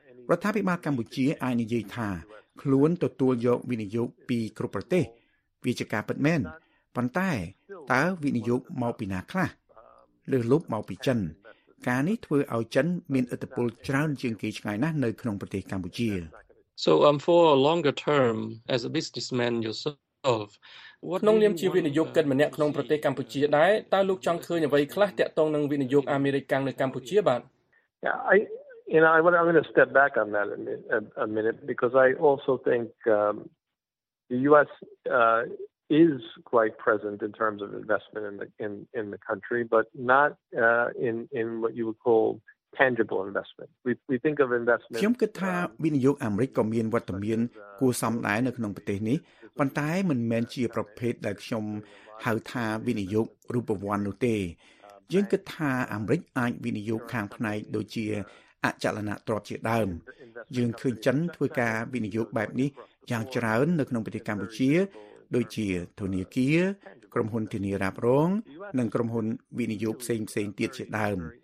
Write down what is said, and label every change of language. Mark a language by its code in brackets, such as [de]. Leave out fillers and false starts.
[km] រដ្ឋាភិបាលកម្ពុជាអាចនិយាយថាខ្លួនទទួលយកវិនិយោគពីគ្រប់ប្រទេសវាជាការពិតមែនប៉ុន្តែតើវិនិយោគមកពីណាខ្លះឬលុបមកពីចិនការនេះធ្វើឲ្យចិនមានឥទ្ធិពលច្រើនជាងគេឆ្ងាយណាស់នៅក្នុងប្រទេសកម្ពុជា [en] So for a longer term as a businessman yourself [km] ក្នុងនាមជាវិនិយោគិនម្នាក់ក្នុងប្រទេសកម្ពុជាដែរតើលោកចង់ឃើញអ្វីខ្លះទាក់ទងនឹងវិនិយោគអាមេរិកកាំងនៅកម្ពុជាបាទ [en] I'm going to step back on that a minute because I also think the US is quite present in terms of investment in the country but not in what you would call tangible investment we think of investment [km] ខ្ញុំគិតថាវិនិយោគអាមេរិកក៏មានវត្តមានគួរសមដែរនៅក្នុងប្រទេសនេះប៉ុន្តែមិនមែនជាប្រភេទដែលខ្ញុំហៅថាវិនិយោគរូបវ័ន្តនោះទេយើងគិតថាអាមេរិកអាចវិនិយោគខាងផ្នែកដូចជាអចលនទ្រព្យជាដើមយើងឃើញចិនធ្វើការវិនិយោគបែបនេះយ៉ាងច្រើននៅក្នុងប្រទេសកម្ពុជាដូចជាធនាគារក្រុមហ៊ុនធានារ៉ាប់រងនិងក្រុមហ៊ុនវិនិយោគផ្សេងផ្សេងទៀតជាដើម